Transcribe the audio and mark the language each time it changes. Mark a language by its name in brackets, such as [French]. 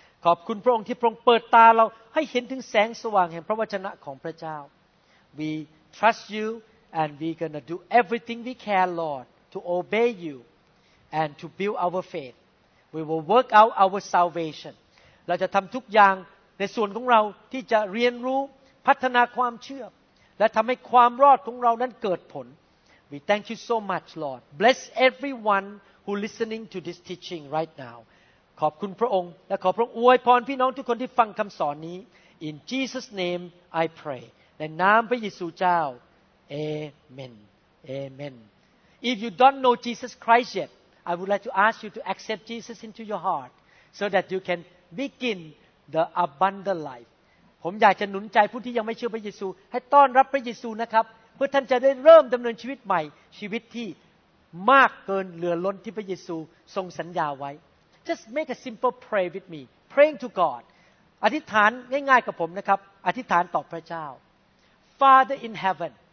[Thai] ขอบคุณพระองค์ที่พระองค์เปิดตาเราให้เห็นถึงแสงสว่างแห่งพระวจนะของพระเจ้า [English] We trust you and we're gonna do everything we can, Lord, to obey you and to build our faithWe will work out our salvation. [Thai] เราจะทำทุกอย่างในส่วนของเราที่จะเรียนรู้พัฒนาความเชื่อและทำให้ความรอดของเรานั้นเกิดผล [English] We thank you so much, Lord. Bless everyone who listening to this teaching right now. [Thai] ขอบคุณพระองค์และขอพระองค์อวยพรพี่น้องทุกคนที่ฟังคำสอนนี้ [English] In Jesus' name, I pray. [Thai] ในนามพระเยซูเจ้า Amen. Amen. [English] If you don't know Jesus Christ yet. I would like to ask you to accept Jesus into your heart so that you can begin the abundant life. [Thai] ผมอยากจะหนุนใจผู้ที่ยังไม่เชื่อพระเยซูให้ต้อนรับพระเยซูนะครับเพื่อท่านจะได้เริ่มดำเนินชีวิตใหม่ชีวิตที่มากเกินเหลือล้นที่พระเยซูทรงสัญญาไว้ [English] Just make a simple prayer with me. Praying to God. [Thai] อธิษฐานง่ายๆกับผมนะครับอธิษฐานต่อพระเจ้า [English] Father in heaven.